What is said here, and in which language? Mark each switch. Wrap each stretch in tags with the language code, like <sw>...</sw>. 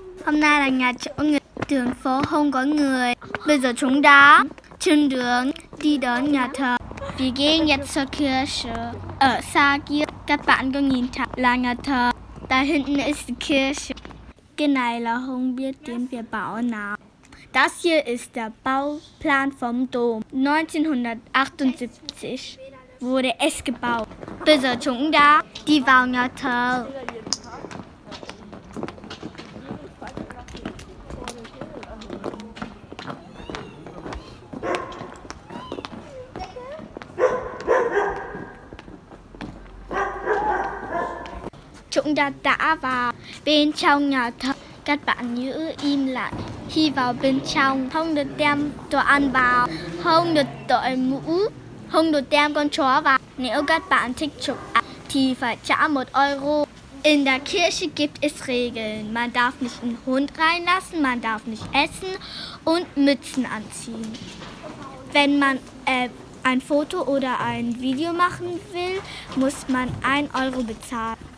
<vi>Hôm nay là ngày chủ nhật, đường phố không có người. Bây giờ chúng ta trên đường đi đến nhà thờ. Vì cái nhà thờ kia sở ở xa kia, các bạn có nhìn thấy là nhà thờ. Tại hình như kia sở. Cái này là không biết tiếng Việt bảo nào.</vi> <de>Das hier ist der Bauplan vom Dom. 1978 wurde es gebaut.</de> <vi>Bây giờ chúng ta đi vào nhà thờ. Chúng ta đã vào bên trong nhà thờ. Các bạn giữ im lặng. Khi vào bên trong, không được đem đồ ăn vào, không được đội mũ, không được đem con chó vào. Nếu các bạn thích chụp ảnh thì phải trả 1 euro.</vi> <de>In der Kirche gibt es Regeln. Man darf nicht einen Hund reinlassen, man darf nicht essen und Mützen anziehen. Wenn man ein Foto oder ein Video machen will, muss man 1 euro bezahlen.</de>